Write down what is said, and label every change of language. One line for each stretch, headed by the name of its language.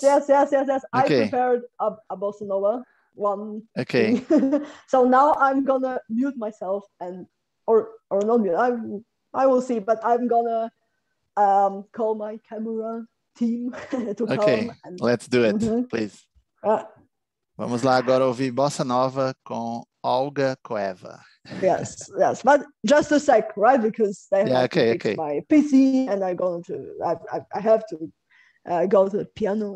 English: Yes. Okay. I prepared a bossa nova one. Okay. So now I'm going to mute myself and, or not mute, I will see, but I'm going to call my camera team to okay. come. Okay, let's do it, mm-hmm. please.
Portuguese: Vamos lá agora ouvir Bossa Nova com Olga Koeva.
English: Yes. But just a sec, right? Because I have to fix my PC and I'm going to, I have to go to the piano.